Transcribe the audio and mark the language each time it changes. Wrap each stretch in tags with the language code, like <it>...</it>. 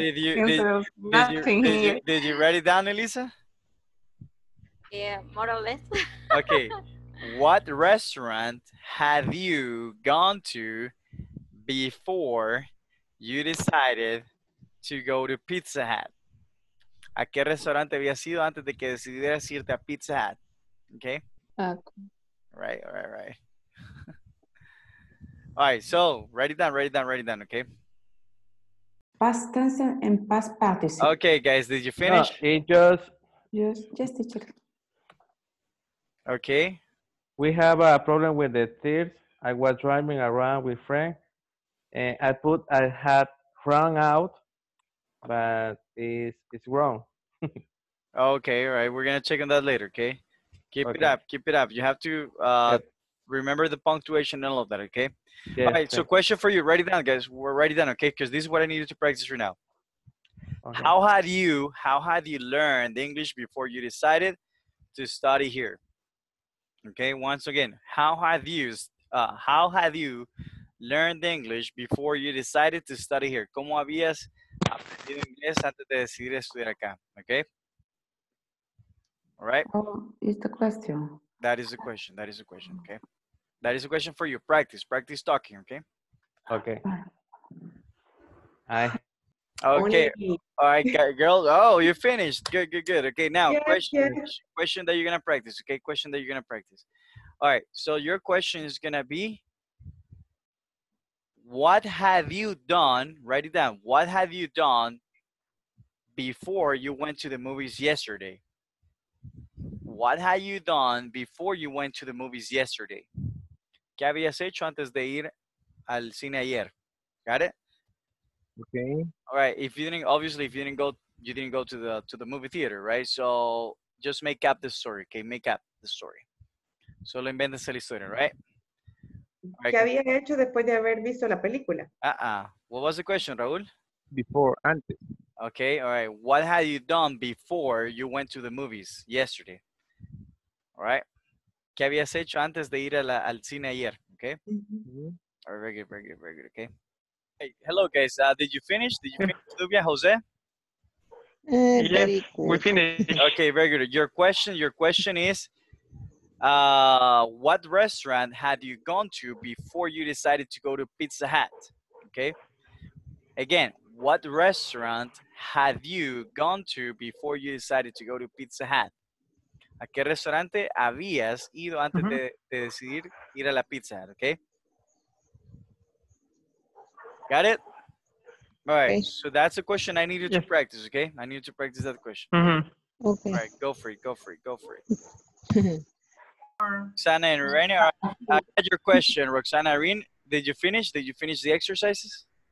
<en>Did you write it down, Elisa? Yeah, more or less. Okay. What restaurant have you gone to before you decided to go to Pizza Hut?</en> <es>¿A qué restaurante habías ido antes de que decidieras irte a Pizza Hut?</es> <en>Okay. Right. All right, so write it down, okay? Past tense and past participle. Okay, guys, did you finish? Yes, just to check. Okay. We have a problem with the thieves. I was driving around with Frank and I had run out, but it's wrong. Okay, all right. We're going to check on that later, okay? Keep it up. You have to remember the punctuation and all of that, okay? Yes, all right, so question for you. Write it down, guys. Write it down, okay? Because this is what I needed to practice right now. Okay. How had you learned English before you decided to study here? Okay, once again, how have you learned English before you decided to study here?</en> <es>¿Cómo habías aprendido inglés antes de decidir estudiar acá?</es> <en>Okay. All right. Is the question? That is the question. That is the question. Okay. That is a question for you. Practice. Practice talking. Okay. Okay. Hi. Okay. All right, girls. Oh, you finished. Good. Good. Good. Okay. Now, yes, question. Yes. Question that you're gonna practice. Okay. Question that you're gonna practice. All right. So your question is gonna be, what have you done? Write it down. What have you done before you went to the movies yesterday? What had you done before you went to the movies yesterday?</en> <es>¿Qué habías hecho antes de ir al cine ayer?</es> <en>Got it? Okay. All right. If you didn't, obviously, if you didn't go, you didn't go to the movie theater, right? So just make up the story. Okay, make up the story.</en> <es>Solo inventes la historia, right? ¿Qué había hecho después de haber visto la película?</es> <en>What was the question, Raúl? Before, antes. Okay, all right. What had you done before you went to the movies yesterday? All right.</en> <es>¿Qué habías hecho antes de ir al cine ayer?</es> <en>Okay. Mm-hmm. All right, very good, very good, very good. Okay. Hey, hello, guys. Did you finish? Did you finish, Lubia, Jose? Yes, we finished. Okay, very good. Your question is, what restaurant had you gone to before you decided to go to Pizza Hut? Okay. Again, what restaurant had you gone to before you decided to go to Pizza Hut?</en> <es>¿A qué restaurante habías ido antes de decidir ir a la Pizza Hut?</es> <en>Okay. Got it? All right. Okay. So that's a question I needed to practice. Okay. I needed to practice that question. Mm-hmm. Okay. All right. Go for it. Go for it. Go for it. Roxana and Rainier, I had your question. Roxana, Irene, did you finish? Did you finish the exercises?</en>